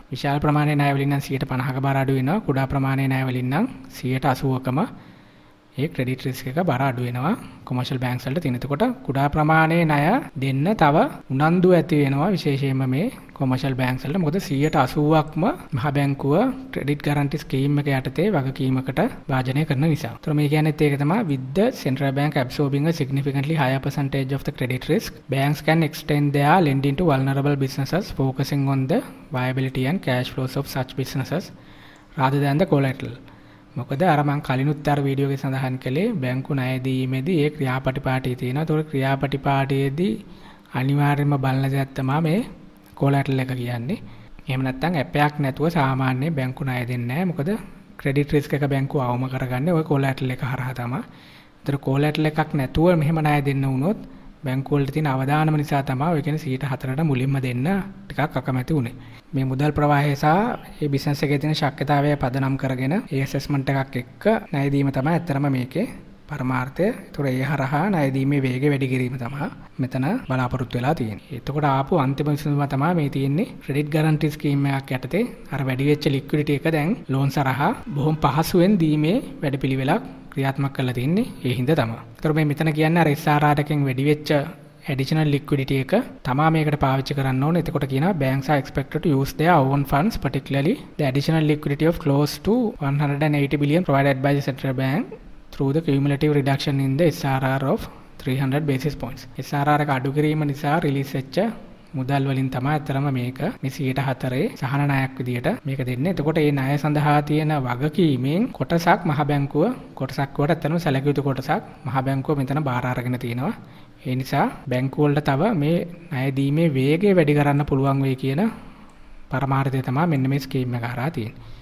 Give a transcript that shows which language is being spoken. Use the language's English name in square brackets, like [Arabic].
[Sinhala] විශාල ප්‍රමාණයේ ණය වලින් නම් 50%ක බර අඩු වෙනවා. කුඩා ප්‍රමාණයේ ණය වලින් නම් 80%කම ඒ credit risk එක බර අඩු වෙනවා commercial banks වලට තියෙන. එතකොට කුඩා ප්‍රමාණයේ ණය දෙන්න තව උනන්දු ඇති වෙනවා විශේෂයෙන්ම මේ commercial banks වලට. මොකද 80%ක්ම මහ බැංකුව credit guarantee scheme එක යටතේ වගකීමකට භාජනය කරන නිසා. ඒතර මේ කියන්නේත් ඒක තමයි [English] with the central bank absorbing a significantly higher percentage of the credit risk, banks can extend their lending to vulnerable businesses focusing on the viability and cash flows of such businesses rather than the collateral. [Sinhala] මොකද අර මං කලිනුත් අර video එකේ සඳහන් කළේ බැංකු ණය දීමේදී ඒ ක්‍රියාපටිපාටි තියෙනවා. ඒතකොට ක්‍රියාපටිපාටියේදී අනිවාර්යයෙන්ම බලන දේක් තමයි මේ කොලැටරල් එක කියන්නේ. එහෙම නැත්නම් ඇපයක් නැතුව සාමාන්‍ය බැංකු ණය දෙන්නේ නැහැ. මොකද ක්‍රෙඩිට් රිස්ක් එක බැංකුව අවම කරගන්නේ ওই කොලැටරල් එක හරහා තමයි. ඒතර කොලැටරල් එකක් නැතුව මෙහෙම ණය දෙන්න වුණොත් බැංකුව වල තියෙන අවදානම නිසා තමයි ඔය කියන 104ට මුලින්ම දෙන්න ටිකක් අකමැති වුනේ. මේ මුදල් ප්‍රවාහය සහ මේ බිස්නස් එකේ තියෙන ශක්්‍යතාවය පදනම් කරගෙන ඒ ඇසස්මන්ට් එකක් එක්ක ණය දීම තමයි ඇත්තරම මේකේ පරමාර්ථය. ඒතර ඒ හරහා ණය දීමේ වේගය වැඩි කිරීම තමයි මෙතන බලාපොරොත්තු වෙලා තියෙන්නේ. එතකොට ආපු අන්තිම විසඳුම තමයි මේ තියෙන්නේ ක්‍රෙඩිට් ගරන්ටි ස්කීම් එකක් යටතේ අර වැඩි වෙච්ච ලික්විඩිටි එක දැන් ලෝන් සරහා බොහොම පහසුවෙන් දීමේ වැඩපිළිවෙලක් ක්‍රියාත්මක කරලා තින්නේ ඒ හින්දා තමයි. ඒතර මේ මෙතන කියන්නේ අර SRR එකෙන් වැඩි වෙච්ච additional liquidity එක තමයි මේකට පාවිච්චි කරන්න ඕනේ. එතකොට කියනවා [English] banks are expected to use their own funds particularly the additional liquidity of close to 180 billion provided by the central bank through the cumulative reduction in the SRR of 300 basis points. [Sinhala] SRR එක අඩු කිරීම නිසා release වෙච්ච මුදල් වලින් තමයි අතරම මේක 104 සහන ණයක් විදියට මේක දෙන්නේ. එතකොට මේ ණය සඳහා තියෙන වගකීමෙන් කොටසක් මහ බැංකුව කොටසක් වට අතරම සැලකිය යුතු කොටසක් මහ බැංකුව මෙතන බාර අරගෙන තිනවා. ඒ නිසා බැංකුව වල තව මේ ණය දීමේ වේගය වැඩි කරන්න පුළුවන් වෙයි කියන පරමාර්ථය තමයි මෙන්න මේ ස්කීම් එක හරහා තියෙන්නේ.